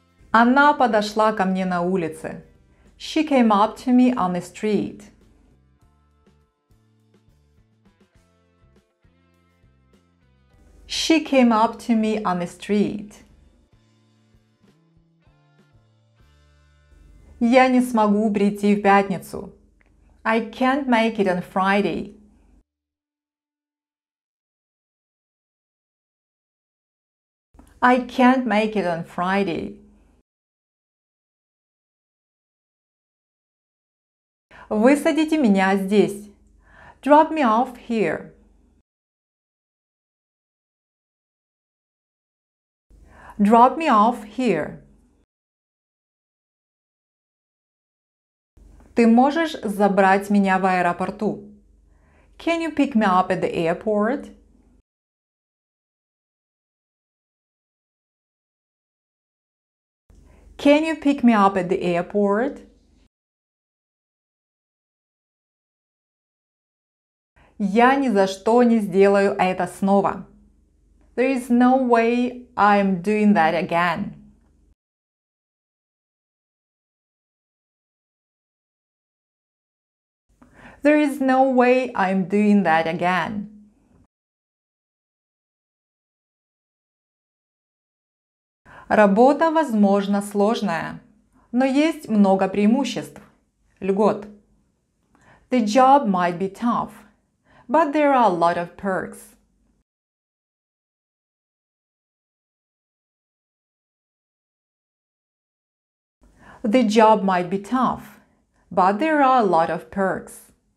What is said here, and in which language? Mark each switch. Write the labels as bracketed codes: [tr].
[ru] Она подошла ко мне на улице. [en] She came up to me on the street. She came up to me on the street. [ru] Я не смогу прийти в пятницу. [en] I can't make it on Friday. I can't make it on Friday. [ru] Высадите меня здесь. [en] Drop me off here. Drop me off here. [ru] Ты можешь забрать меня в аэропорту? [en] Can you pick me up at the airport? Can you pick me up at the airport? [ru] Я ни за что не сделаю это снова. [en] There is no way I'm doing that again. There is no way I'm doing that again. [ru] Работа, возможно, сложная, но есть много преимуществ. Льгот. [en] The job might be tough, but there are a lot of perks. The job might be tough, but there are a lot of perks.